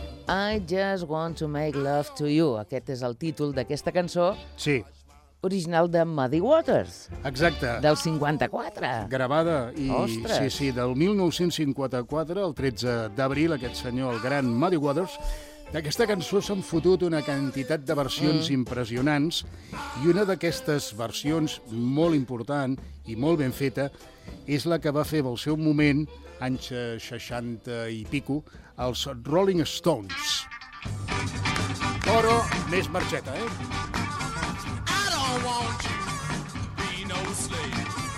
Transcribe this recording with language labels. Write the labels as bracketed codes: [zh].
[en] I just want to make love to you. [ca] Aquest és el títol d'aquesta cançó. Sí. Original de Muddy Waters. Exacte. Del 54. Gravada. I, ostres. Sí, sí, del 1954, el 13 d'abril, aquest senyor, el gran Muddy Waters, d'aquesta cançó s'han fotut una quantitat de versions impressionants, i una d'aquestes versions molt important i molt ben feta és la que va fer pel seu moment, anys 60 i pico, els Rolling Stones. Però més marxeta, eh? [en] I don't want you to be no slave.